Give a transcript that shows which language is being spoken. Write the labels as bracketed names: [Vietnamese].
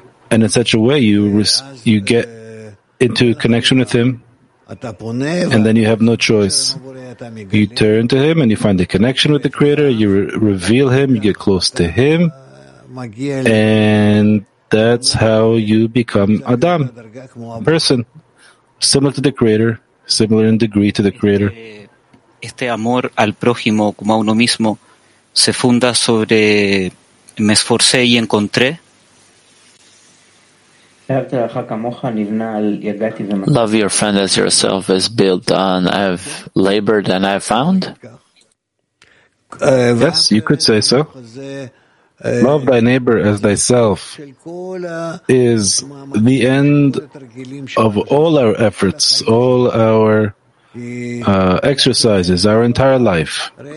[English] And in such a way, you get into connection with him, and then you have no choice. You turn to him and you find the connection with the Creator, you reveal him, you get close to him, and that's how you become Adam, a person, similar to the Creator, similar in degree to the Creator. [Spanish] Este amor al prójimo como a uno mismo se funda sobre me esforcé y encontré. [English] Love your friend as yourself is built on I've labored and I've found? Yes, you could say so. Love thy neighbor as thyself is the end of all our efforts, all our exercises, our entire life.